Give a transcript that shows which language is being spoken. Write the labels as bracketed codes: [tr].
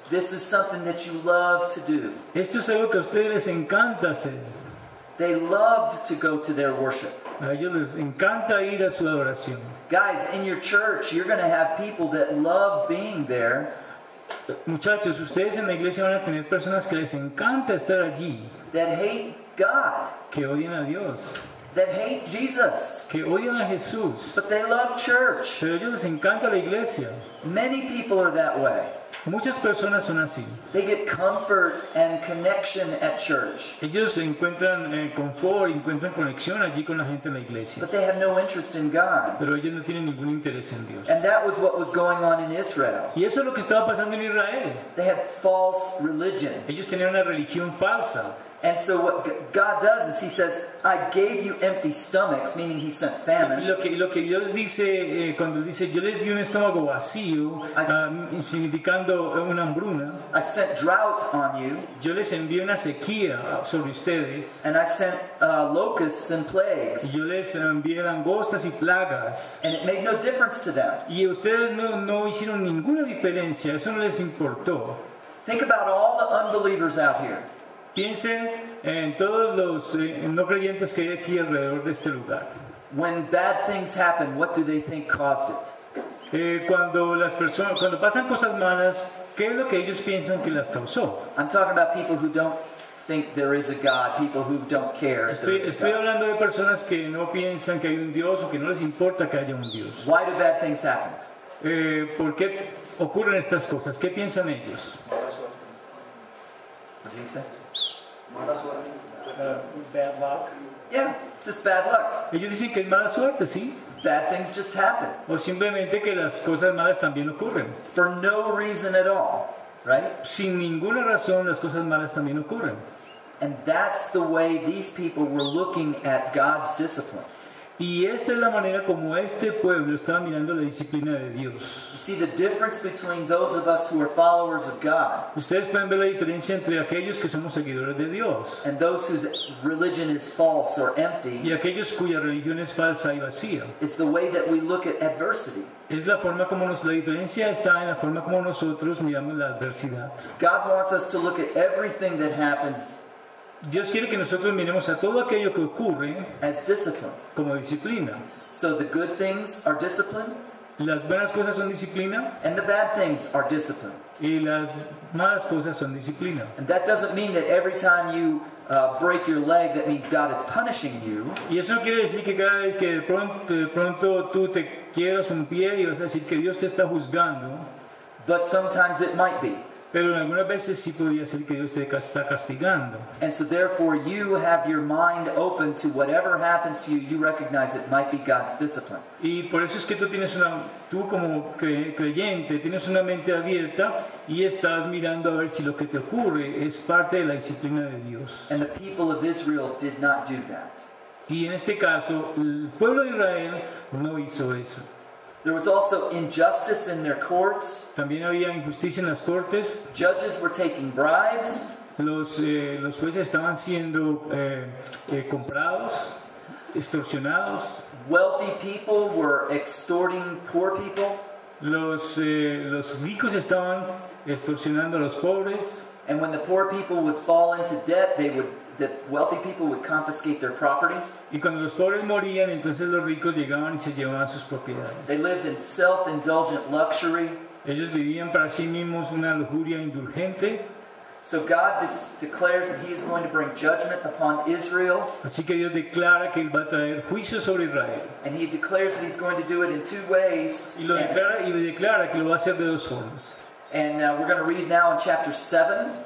[en] This is something that you love to do. [es] Esto es algo que a ustedes les encanta hacer. [en] They loved to go to their worship. [es] A ellos les encanta ir a su adoración. [en] Guys, in your church, you're going to have people that love being there. [es] Muchachos, ustedes en la iglesia van a tener personas que les encanta estar allí. [en] That hate God. [es] Que odian a Dios. [en] That hate Jesus. [es] Que odian a Jesús. [en] But they love church. [es] Pero a ellos les encanta la iglesia. [en] Many people are that way. [es] Muchas personas son así. [en] They get comfort and connection at church. [es] Ellos encuentran confort, encuentran conexión allí con la gente en la iglesia. [en] But they have no interest in God. [es] Pero ellos no tienen ningún interés en Dios. [en] And that was what was going on in Israel. [es] Y eso es lo que estaba pasando en Israel. [en] They had false religion. [es] Ellos tenían una religión falsa. [en] And so what God does is he says, I gave you empty stomachs, meaning he sent famine. [es] Lo que Dios dice cuando dice, yo les di un estómago vacío, significando una hambruna. [en] I sent drought on you. [es] Yo les envié una sequía sobre ustedes. [en] And I sent locusts and plagues. [es] Yo les envié langostas y plagas. [en] And it made no difference to them. [es] Y ustedes no hicieron ninguna diferencia, eso no les importó. [en] Think about all the unbelievers out here. [es] Piensen en todos los no creyentes que hay aquí alrededor de este lugar. [en] When bad things happen, what do they think caused it? [es] Cuando pasan cosas malas, ¿qué es lo que ellos piensan que las causó? [en] I'm talking about people who don't think there is a God, people who don't care. [es] Estoy hablando de personas que no piensan que hay un Dios o que no les importa que haya un Dios. [en] Why do bad things happen? [es] ¿Por qué ocurren estas cosas? ¿Qué piensan ellos? [en] Okay. he say? [es] Mala suerte. [en] Bad luck? Yeah, it's just bad luck. [es] Ellos dicen que es mala suerte, ¿sí? [en] Bad things just happen. [es] O simplemente que las cosas malas también ocurren. [en] For no reason at all, right? [es] Sin ninguna razón, las cosas malas también ocurren. [en] And that's the way these people were looking at God's discipline. [es] Y esta es la manera como este pueblo estaba mirando la disciplina de Dios. [en] See the difference between those of us who are followers of God. [es] Ustedes pueden ver la diferencia entre aquellos que somos seguidores de Dios. [en] And those whose religion is false or empty. [es] Y aquellos cuya religión es falsa y vacía. [en] It's the way that we look at adversity. [es] Es la forma como la diferencia está en la forma como nosotros miramos la adversidad. [en] God wants us to look at everything that happens. [es] Dios quiere que nosotros miremos a todo aquello que ocurre [en] as discipline. [es] Como disciplina. [en] So the good things are discipline. [es] Las buenas cosas son disciplina. [en] And the bad things are discipline. [es] Y las malas cosas son disciplina. [en] And that doesn't mean that every time you break your leg, that means God is punishing you. [es] Y eso no quiere decir que cada vez que de pronto tú te quiebras un pie, y vas a decir que Dios te está juzgando. [en] But sometimes it might be. [es] Pero en algunas veces sí podría ser que Dios te está castigando. [en] And so therefore you have your mind open to whatever happens to you, you recognize it might be God's discipline. [es] Y por eso es que tú como creyente tienes una mente abierta y estás mirando a ver si lo que te ocurre es parte de la disciplina de Dios. [en] And the people of Israel did not do that. [es] Y en este caso, el pueblo de Israel no hizo eso. [en] There was also injustice in their courts. [es] También había injusticia en las cortes. [en] Judges were taking bribes. [es] Los jueces estaban siendo comprados, extorsionados. [en] Wealthy people were extorting poor people. [es] Los ricos estaban extorsionando a los pobres. [en] And when the poor people would fall into debt, the wealthy people would confiscate their property. [es] Y cuando los pobres morían, entonces los ricos llegaban y se llevaban sus propiedades. [en] They lived in self-indulgent luxury. [es] Ellos vivían para sí mismos una lujuria indulgente. [en] So God declares that He is going to bring judgment upon Israel. [es] Así que Dios declara que él va a traer juicio sobre Israel. [en] And He declares that He's going to do it in two ways. [es] Y lo declara y le declara que lo va a hacer de dos formas. [en] And we're going to read now in chapter 7.